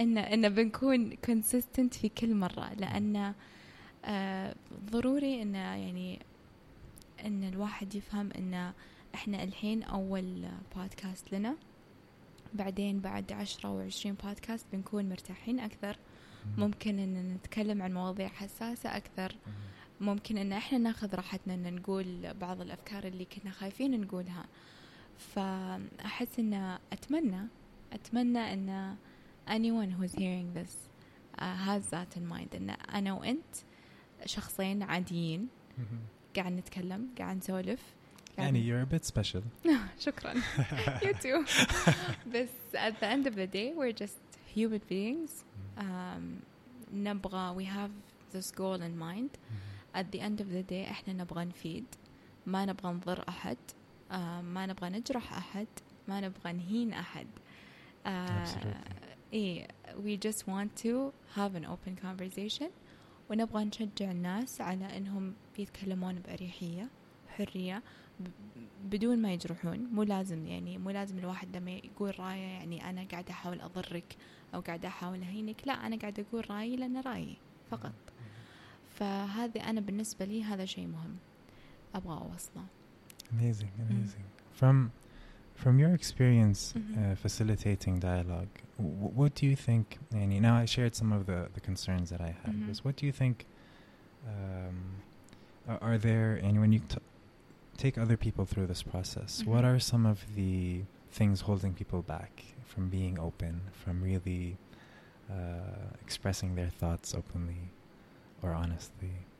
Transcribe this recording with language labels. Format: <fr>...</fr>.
<ar>إن بنكون consistent في كل مرة, لأن ضروري إن يعني إن الواحد يفهم إن إحنا الحين أول بودكاست لنا, بعدين بعد 10 و20 بودكاست بنكون مرتاحين أكثر, ممكن إن نتكلم عن مواضيع حساسة أكثر, ممكن إن إحنا نأخذ راحتنا إن نقول بعض الأفكار اللي كنا خايفين نقولها. فأحس إن أتمنى إن</ar> <en>anyone who's hearing this has that in mind,</en> <ar>إن أنا وأنت شخصين عاديين قاعد نتكلم قاعد نسولف.</ar> <en>Annie, you're a bit special. Shukran. You too. But at the end of the day, we're just human beings. Nabga, we have this goal in mind. At the end of the day,</en> <ar>احنا نبغى نفيد. ما نبغى نضر أحد. ما نبغى نجرح أحد. ما نبغى نهين أحد.</ar> <en>Absolutely.</en> <ar>إيه</ar> <en>we just want to have an open conversation</en> <ar>ونبغى نشجع الناس على إنهم يتكلمون بأريحية حرية بدون ما يجرحون. مو لازم يعني مو لازم الواحد لما يقول رأيه يعني أنا قاعدة أحاول أضرك أو قاعدة أحاول أهينك, لا أنا قاعدة أقول رأيي لأن رأيي فقط. فهذا أنا بالنسبة لي هذا شيء مهم أبغى أوصله.</ar> <en>Amazing, amazing. From your experience facilitating dialogue, what do you think, يعني, now I shared some of the concerns that I had, was what do you think, are there, and when you take other people through this process, what are some of the things holding people back from being open, from really expressing their thoughts openly or honestly?</en>